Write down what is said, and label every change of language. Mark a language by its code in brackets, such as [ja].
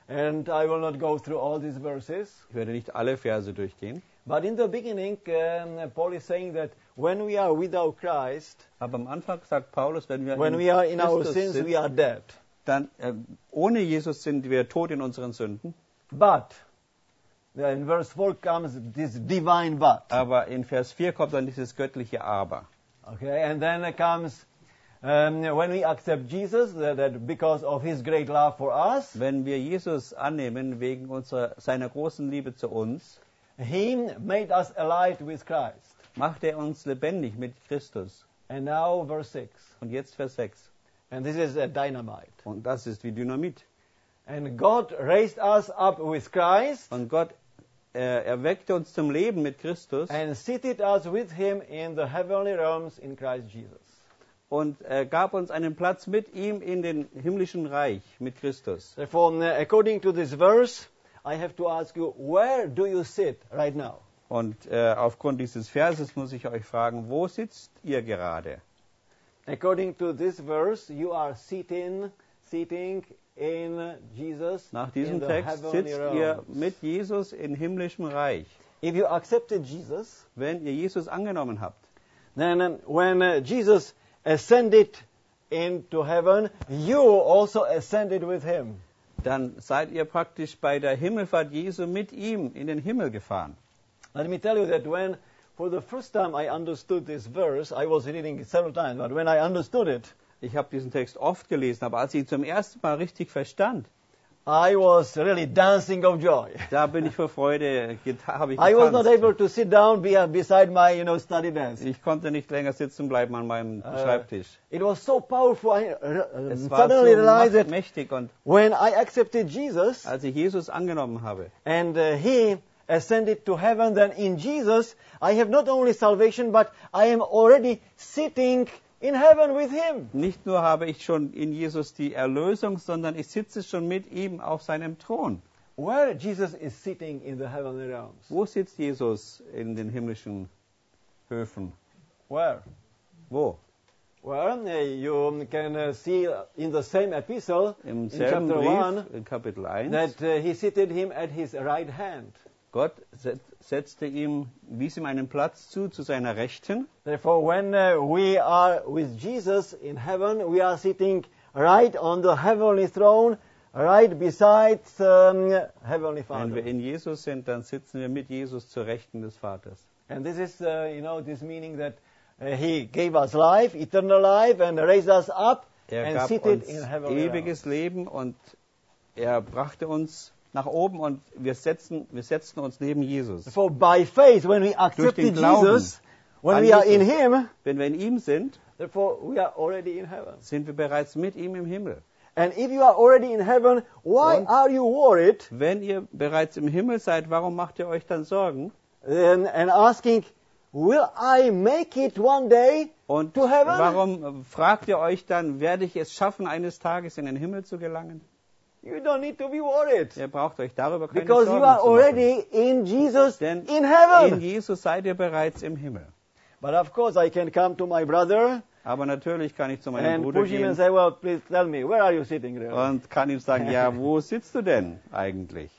[en] And I will not go through all these verses. [de] Ich werde nicht alle Verse durchgehen. [en] But in the beginning, Paul is saying that when we are without Christ, [de] aber am Anfang sagt Paulus, wenn wir [en] when we are in [de] Christus [en] our sins, [de] sind, [en] we are dead. [de] Dann ohne Jesus sind wir tot in unseren Sünden. [en] But in verse 4 comes this divine but. [de] Aber in Vers 4 kommt dann dieses göttliche Aber. [en] Okay, and then it comes when we accept Jesus, that because of His great love for us. [de] Wenn wir Jesus annehmen wegen seiner großen Liebe zu uns. [en] He made us alive with Christ. [de] Macht uns lebendig mit Christus. [en] And now verse 6. [de] Und jetzt Vers 6. [en] And this is a dynamite. [de] Und das ist wie Dynamit. [en] And God raised us up with Christ. [de] Und Gott erweckte uns zum Leben mit Christus. [en] And seated us with Him in the heavenly realms in Christ Jesus. [de] Und gab uns einen Platz mit ihm in den himmlischen Reich mit Christus. [en] Therefore, according to this verse, I have to ask you, where do you sit right now? [de] Und aufgrund dieses Verses muss ich euch fragen, wo sitzt ihr gerade? [en] According to this verse, you are sitting in Jesus. [de] Nach diesem [en] in the [de] Text sitzt [en] realms. [de] Ihr mit Jesus in himmlischem Reich. [en] If you accepted Jesus, [de] wenn ihr Jesus angenommen habt, [en] then when Jesus ascended into heaven, you also ascended with him. [de] Dann seid ihr praktisch bei der Himmelfahrt Jesu mit ihm in den Himmel gefahren. [en] Let me tell you that when for the first time I understood this verse, I was reading it several times, but when I understood it, [de] ich habe diesen Text oft gelesen, aber als ich ihn zum ersten Mal richtig verstand, [en] I was really dancing of joy. [de] Da bin ich vor Freude getanzt. [en] I was not able to sit down beside my, you know, study desk. [de] Ich konnte nicht länger sitzen bleiben an meinem Schreibtisch. [en] It was so powerful. I suddenly realized that when I accepted Jesus, [de] als ich Jesus angenommen habe, [en] and he ascended to heaven, then in Jesus I have not only salvation, but I am already sitting in heaven with him. [de] Nicht nur habe ich schon in Jesus die Erlösung, sondern ich sitze schon mit ihm auf seinem Thron. [en] Where Jesus is sitting in the heavenly realms. [de] Wo sitzt Jesus in den himmlischen Höfen? [en] Where? [de] Wo? [en] Well, you can see in the same epistle, [de] im selben [en] in chapter [de] Brief, [en] one, [de] in Kapitel 1, [en] that he seated him at his right hand. [de] Gott setzte ihm, wies ihm einen Platz zu seiner Rechten. [en] Therefore, when we are with Jesus in heaven, we are sitting right on the heavenly throne, right beside the heavenly Father. [de] Wenn wir in Jesus sind, dann sitzen wir mit Jesus zur Rechten des Vaters. [en] And this is, you know, this meaning that he gave us life, eternal life, and raised us up and seated in heavenly realms. [de] Er gab uns ewiges Leben und er brachte uns nach oben und wir setzen uns neben Jesus. [en] For by faith, when we accept Jesus, when we are in him, [de] wenn wir in ihm sind, [en] therefore we are already in heaven. [de] Sind wir bereits mit ihm im Himmel. [en] And if you are already in heaven, why are you worried? [de] Wenn ihr bereits im Himmel seid, warum macht ihr euch dann Sorgen? [en] And asking, will I make it one day to heaven? [de] Und warum fragt ihr euch dann, werde ich es schaffen, eines Tages in den Himmel zu gelangen? [en] You don't need to be worried. [de] Ihr braucht euch darüber keine Sorgen zu machen. [en] Because you are already in Jesus, [de] denn [en] in heaven. [de] In Jesus seid ihr bereits im Himmel. [en] But of course I can come to my brother. [de] Aber natürlich kann ich zu meinem [en] and [de] Bruder [en] push him [de] gehen. [en] And say, well, please tell me, where are you sitting really? [de] Und kann ihm sagen, ja, wo sitzt du denn eigentlich?